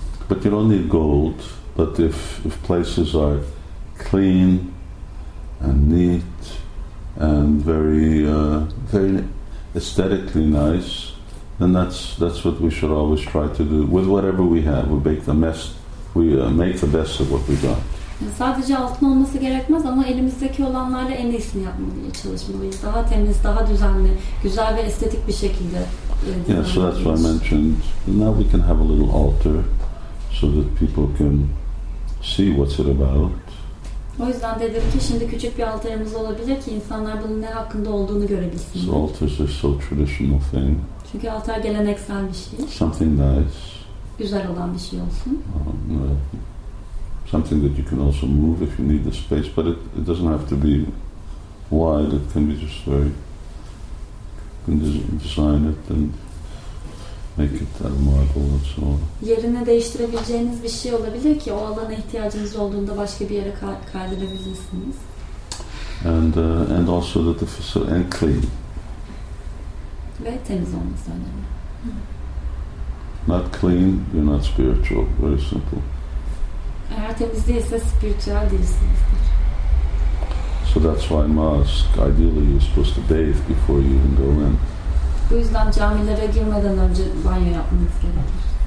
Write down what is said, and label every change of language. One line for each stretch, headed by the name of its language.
English: But you don't need gold, but if places are clean and neat and very very aesthetically nice, then that's what we should always try to do with whatever we have. We make the best of what we got.
Turkish: Sadece altın olması gerekmez ama elimizdeki olanlarla en iyisini yapmaya çalışmalıyız. Daha temiz, daha düzenli, güzel ve estetik bir şekilde.
English: Yeah, so that's what I mentioned. Now we can have a little altar so that people can see what's it about.
Turkish: O yüzden dedim ki şimdi küçük bir altarımız olabilir ki insanlar bunun ne hakkında olduğunu görebilsin.
English: So altars are so traditional thing.
Turkish: Çünkü altar geleneksel bir şey.
English: Something nice.
Turkish: Güzel olan bir şey olsun.
English: Something that you can also move if you need the space, but it doesn't have to be wide. It can be just very, you can design it and make it out of marble and so on.
Turkish: Yerini değiştirebileceğiniz bir şey olabilir ki o alana ihtiyacınız olduğunda başka bir yere kaydırabilirsiniz.
English: And also that the facility and clean.
Turkish: Ve temiz olması önemli.
English: Not clean, you're not spiritual. Very simple.
Turkish: Eğer temiz değilse spiritüel değilsinizdir.
English: So that's why mosque, ideally you're supposed to bathe before you even go in.
Turkish: Bu yüzden camilere girmeden önce banyo yapmanız gerekir.